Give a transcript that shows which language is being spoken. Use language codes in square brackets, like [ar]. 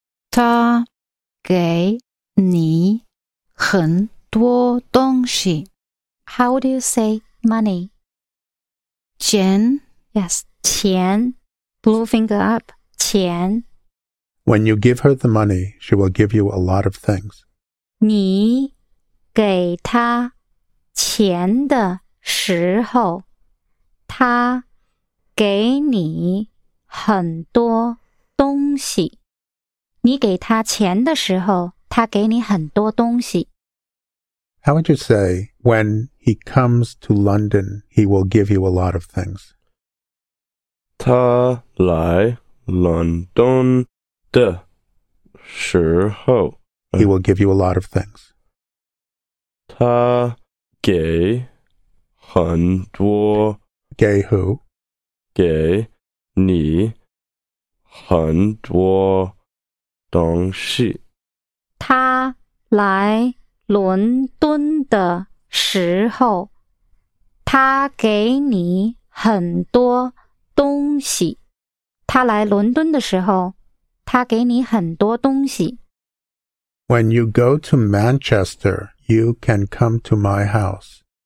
[zh] 她给你很多东西. [en] How do you say money? [zh] 钱. [en] Yes, 钱, blue finger up, 钱. When you give her the money, she will give you a lot of things. [zh] 你给她钱的时候,她给你很多东西。你给她钱的时候,她给你很多东西。 [en] How would you say, when he comes to London, he will give you a lot of things? [zh] 他来伦敦的时候 [en] He will give you a lot of things. [zh] 他给很多给 [en] who? [zh] 给你很多东西。他来伦敦的时候他给你很多东西。他来伦敦的时候他给你很多东西。 [en] When you go to Manchester, you can come to my house.